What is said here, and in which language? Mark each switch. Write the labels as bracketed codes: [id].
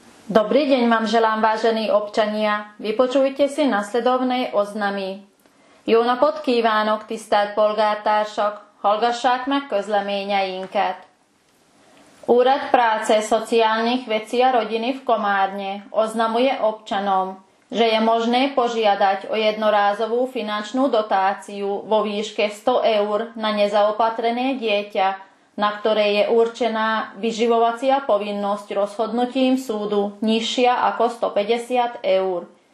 [sk] Dobrý deň vám želám, vážení občania. Vypočujte si nasledovné oznamy. [hu] Júna podkívánok, tisztelt polgártársak, hallgassák meg közleményeinket. [sk] Úrad práce, szociálnych vecí a rodiny v Komárne oznamuje občanom, že je možné požiadať o jednorázovú finančnú dotáciu vo výške 100 eur na nezaopatrené dieťa, na ktoré je určená vyživovacia povinnosť rozhodnutím súdu nižšia ako 150 eur.